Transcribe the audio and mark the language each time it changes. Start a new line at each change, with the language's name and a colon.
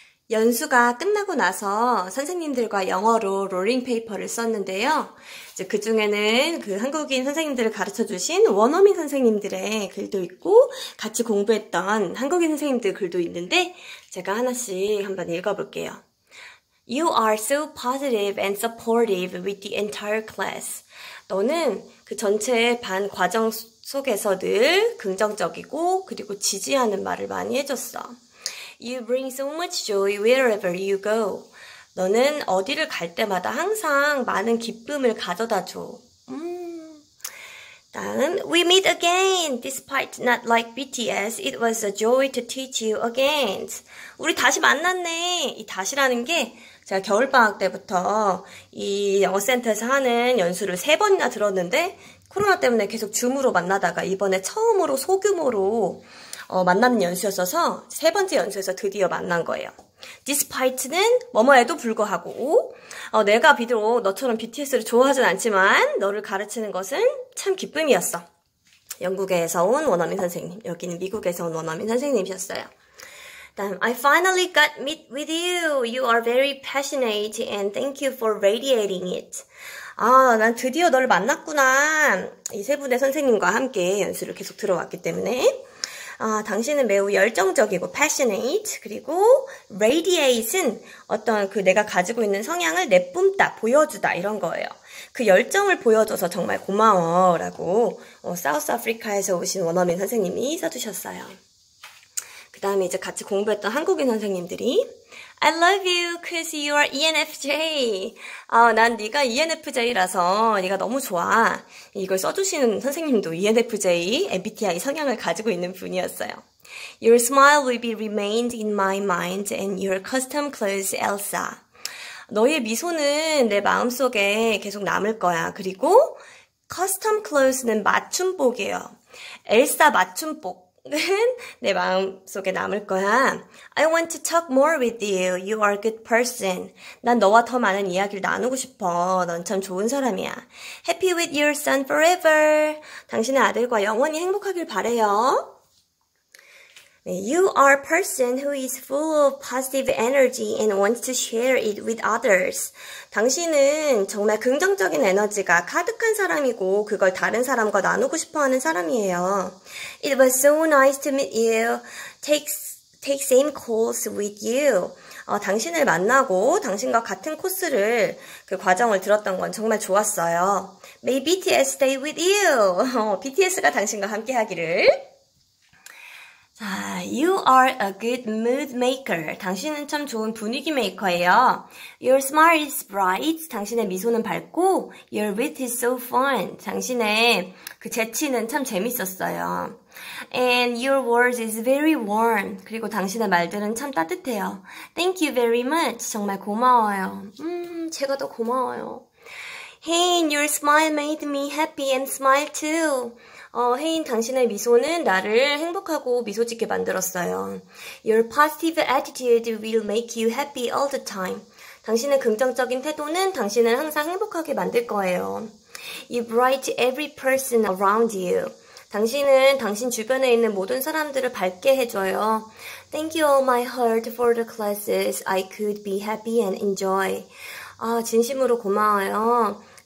Korean: 연수가 끝나고 나서 선생님들과 영어로 롤링 페이퍼를 썼는데요. 이제 그 중에는 그 한국인 선생님들을 가르쳐 주신 원어민 선생님들의 글도 있고 같이 공부했던 한국인 선생님들 글도 있는데 제가 하나씩 한번 읽어볼게요.
English: You are so positive and supportive with the entire class.
Korean: 너는 그 전체 반 과정 속에서 늘 긍정적이고 그리고 지지하는 말을 많이 해줬어.
English: You bring so much joy wherever you go.
Korean: 너는 어디를 갈 때마다 항상 많은 기쁨을 가져다 줘. 다음,
English: We meet again. Despite not like BTS, it was a joy to teach you again.
Korean: 우리 다시 만났네. 이 다시라는 게 제가 겨울방학 때부터 이 영어센터에서 하는 연수를 세 번이나 들었는데 코로나 때문에 계속 줌으로 만나다가 이번에 처음으로 소규모로 만나는 연수였어서 세 번째 연수에서 드디어 만난 거예요. Despite는 뭐뭐에도 불구하고 내가 비록 너처럼 BTS를 좋아하진 않지만 너를 가르치는 것은 참 기쁨이었어. 영국에서 온 원어민 선생님, 여기는 미국에서 온 원어민 선생님이셨어요.
English: 다음, I finally got meet with you. You are very passionate and thank you for radiating it.
Korean: 아, 난 드디어 너를 만났구나. 이 세 분의 선생님과 함께 연수를 계속 들어왔기 때문에 아, 당신은 매우 열정적이고 passionate, 그리고 radiate은 어떤 그 내가 가지고 있는 성향을 내뿜다, 보여주다 이런 거예요. 그 열정을 보여줘서 정말 고마워 라고 사우스 아프리카에서 오신 원어민 선생님이 써주셨어요. 그 다음에 이제 같이 공부했던 한국인 선생님들이
English: I love you cause you are ENFJ.
Korean: 난 네가 ENFJ라서 네가 너무 좋아. 이걸 써주시는 선생님도 ENFJ MBTI 성향을 가지고 있는 분이었어요.
English: Your smile will be remained in my mind and your custom clothes Elsa.
Korean: 너의 미소는 내 마음속에 계속 남을 거야. 그리고 custom clothes는 맞춤복이에요. 엘사 맞춤복. 내 마음속에 남을 거야.
English: I want to talk more with you. You are a good person.
Korean: 난 너와 더 많은 이야기를 나누고 싶어. 넌 참 좋은 사람이야.
English: Happy with your son forever.
Korean: 당신의 아들과 영원히 행복하길 바래요.
English: You are a person who is full of positive energy and wants to share it with others.
Korean: 당신은 정말 긍정적인 에너지가 가득한 사람이고 그걸 다른 사람과 나누고 싶어하는 사람이에요.
English: It was so nice to meet you. Take same course with you.
Korean: 당신을 만나고 당신과 같은 코스를 그 과정을 들었던 건 정말 좋았어요.
English: May BTS stay with you.
Korean: BTS가 당신과 함께 하기를.
English: 자, You are a good mood maker.
Korean: 당신은 참 좋은 분위기 메이커예요.
English: Your smile is bright.
Korean: 당신의 미소는 밝고
English: Your wit is so fun.
Korean: 당신의 그 재치는 참 재밌었어요.
English: And your words is very warm.
Korean: 그리고 당신의 말들은 참 따뜻해요.
English: Thank you very much.
Korean: 정말 고마워요. 제가 더 고마워요.
English: Hey, your smile made me happy and smile too.
Korean: 혜인, 당신의 미소는 나를 행복하고 미소짓게 만들었어요.
English: Your positive attitude will make you happy all the time.
Korean: 당신의 긍정적인 태도는 당신을 항상 행복하게 만들 거예요.
English: You brighten every person around you.
Korean: 당신은 당신 주변에 있는 모든 사람들을 밝게 해줘요.
English: Thank you all my heart for the classes I could be happy and enjoy.
Korean: 진심으로 고마워요.